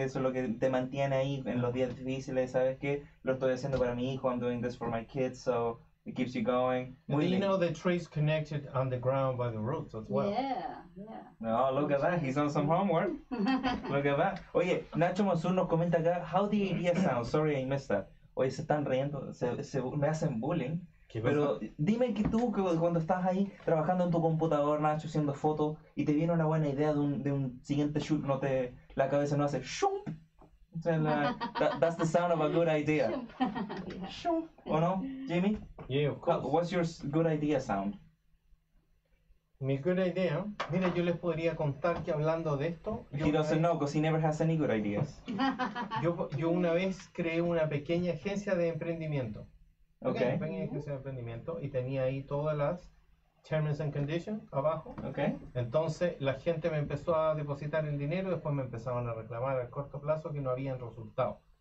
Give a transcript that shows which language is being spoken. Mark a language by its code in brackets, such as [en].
[es] Eso es lo que te mantiene ahí en los días difíciles. Sabes que lo estoy haciendo para mi hijo. [en] I'm doing this for my kids. So it keeps you going. [es] Muy lindo. [en] You know, the trees connected on the ground by the roots as well. Yeah. Oh, look at that. He's on some homework. Look at that. [es] Oye, Nacho Mazur nos comenta acá, [en] how the idea sounds. Sorry, I missed that. [es] Oye, se están riendo. Se me hacen bullying. Pero dime que tú, que cuando estás ahí trabajando en tu computador, Nacho, haciendo fotos, y te viene una buena idea de un siguiente shoot, no te, la cabeza no hace shum. O sea, [en] that's the sound of a good idea. [es] Shum. ¿O no, Jimmy? [en] Yeah, of course. What's your good idea sound? Mi good idea. [es] Mira, yo les podría contar que hablando de esto. [en] He doesn't know because he never has any good ideas. [es] Yo una vez creé una pequeña agencia de emprendimiento. [en] Okay. [es] Una pequeña agencia de emprendimiento y tenía ahí todas las [en] terms and conditions [es] abajo. [en] Okay. [es] Entonces la gente me empezó a depositar el dinero y después me empezaban a reclamar al corto plazo que no habían resultado.